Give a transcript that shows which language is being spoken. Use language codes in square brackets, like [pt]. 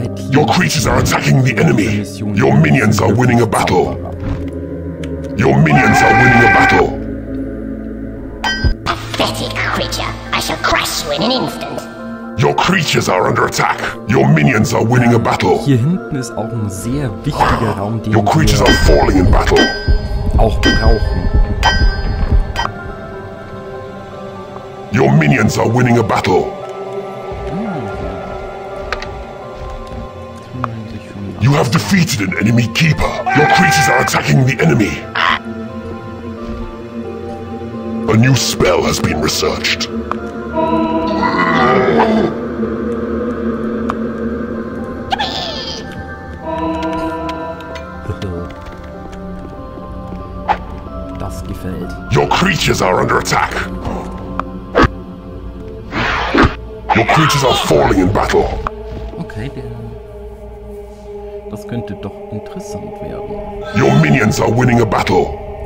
[en] Your creatures are attacking the enemy. Your minions are winning a battle. Your minions are winning a battle. Pathetic creature. I shall crush you in an instant. Your creatures are under attack. Your minions are winning a battle. [de] Hier hinten ist auch ein sehr wichtiger Raum, den [en] your creatures are falling in battle. [de] Auch brauchen. [en] Your minions are winning a battle. You have defeated an enemy keeper. Your creatures are attacking the enemy. A new spell has been researched. [de] Das gefällt. [en] Your creatures are under attack. Your creatures are falling in battle. [de] Okay, denn das könnte doch interessant werden. [en] Your minions are winning a battle.